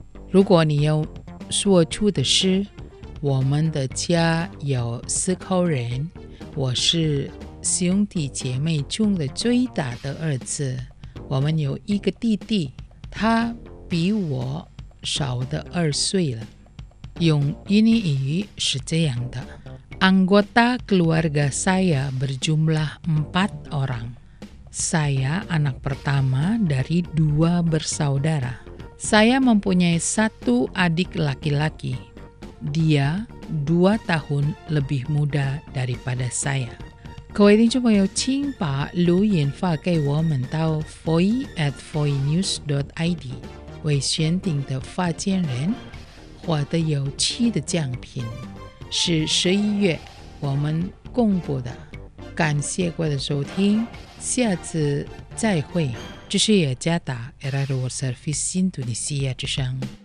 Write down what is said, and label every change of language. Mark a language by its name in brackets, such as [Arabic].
[Chinese] 如果你要说出的是我们的家有四口人，我是兄弟姐妹中的最大的儿子，我们有一个弟弟，他比我少的二岁了，用英语语是这样的。 [Indonesian] Anggota keluarga saya berjumlah 4 orang. Saya anak pertama dari 2 bersaudara. Saya mempunyai 1 adik laki-laki. Dia 2 tahun lebih muda daripada saya. [Chinese] 各位听众朋友，请把录音发给我们到 foy@foynews.id 为选定的发件人，获得有趣的奖品。是11月我们公布的，感谢各位的收听，下次再会。这是雅加达 Air World Service Indonesia 之声。